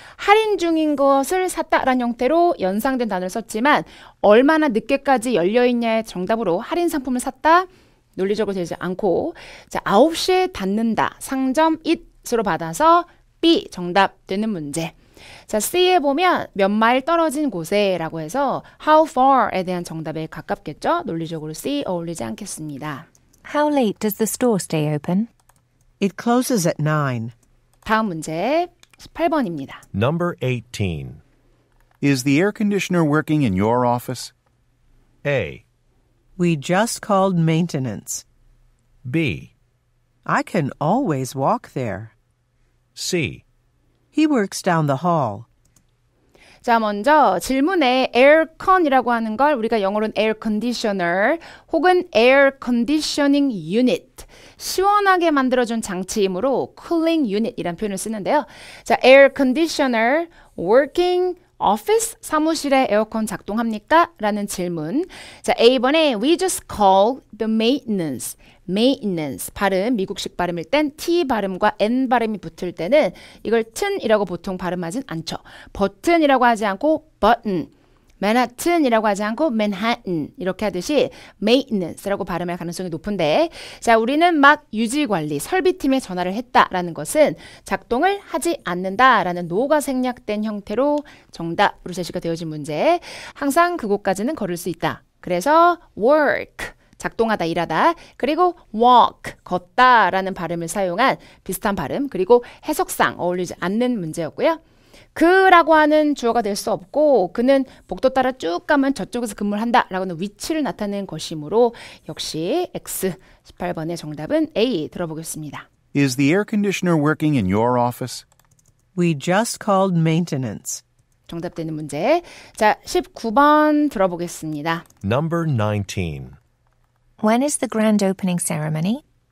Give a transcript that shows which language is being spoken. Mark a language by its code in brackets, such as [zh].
[ko] 할인 중인 것을 샀다라는 형태로 연상된 단어를 썼지만 얼마나 늦게까지 열려있냐의 정답으로 할인 상품을 샀다 논리적으로 되지 않고, 자 9시에 닫는다 상점 it 으로 받아서 B 정답 되는 문제. 자 C에 보면 몇 마일 떨어진 곳에 라고 해서 how far에 대한 정답에 가깝겠죠. 논리적으로 C 어울리지 않겠습니다. [en] How late does the store stay open? It closes at 9. [ko] 다음 문제 18번입니다. [en] Number 18. Is the air conditioner working in your office? A. We just called maintenance. B. I can always walk there. C. He works down the hall. [ko] 자, 먼저 질문에 aircon이라고 하는 걸 우리가 영어로는 air conditioner 혹은 air conditioning unit. 시원하게 만들어준 장치이므로 cooling unit이란 표현을 쓰는데요. 자, air conditioner working office 사무실에 에어컨 작동합니까? 라는 질문. 자, A번에 [en] we just called the maintenance. [ko] Maintenance 발음, 미국식 발음일 땐 T 발음과 N 발음이 붙을 때는 이걸 튼이라고 보통 발음하진 않죠. 버튼이라고 하지 않고 button, 맨하튼이라고 하지 않고 맨하튼 이렇게 하듯이 maintenance라고 발음할 가능성이 높은데, 자 우리는 막 유지관리, 설비팀에 전화를 했다라는 것은 작동을 하지 않는다라는 노가 생략된 형태로 정답으로 제시가 되어진 문제. 항상 그곳까지는 걸을 수 있다. 그래서 work 작동하다, 일하다, 그리고 walk, 걷다 라는 발음을 사용한 비슷한 발음, 그리고 해석상 어울리지 않는 문제였고요. 그라고 하는 주어가 될 수 없고, 그는 복도 따라 쭉 가면 저쪽에서 근무를 한다 라고 하는 위치를 나타내는 것이므로 역시 X, 18번의 정답은 A 들어보겠습니다. [en] Is the air conditioner working in your office? We just called maintenance. [ko] 정답되는 문제. 자, 19번 들어보겠습니다. [en] Number 19. When is the grand opening ceremony?